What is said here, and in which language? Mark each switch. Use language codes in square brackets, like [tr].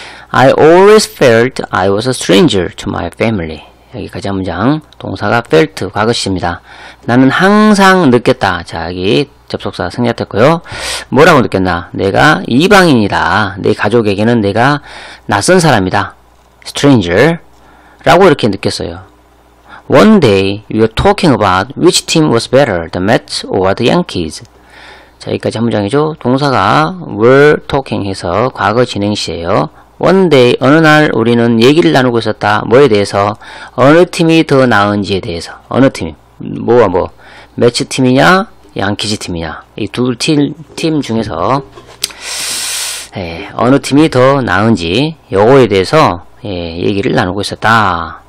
[en] I always felt I was a stranger to my family. [ko] 여기까지 한 문장. 동사가 felt, 과거시입니다. 나는 항상 느꼈다. 자, 여기 접속사 생략됐고요. 뭐라고 느꼈나? 내가 이방인이다. 내 가족에게는 내가 낯선 사람이다. stranger. 라고 이렇게 느꼈어요. [en] One day, we were talking about which team was better, the Mets or the Yankees. [ko] 자, 여기까지 한 문장이죠. 동사가 were talking 해서 과거 진행시예요. One day, 어느 날 우리는 얘기를 나누고 있었다. 뭐에 대해서? 어느 팀이 더 나은지에 대해서. 어느 팀? 뭐와 뭐? Mets 팀이냐? Yankees 팀이냐? 이 두 팀 중에서 예, 어느 팀이 더 나은지 요거에 대해서 예, 얘기를 나누고 있었다.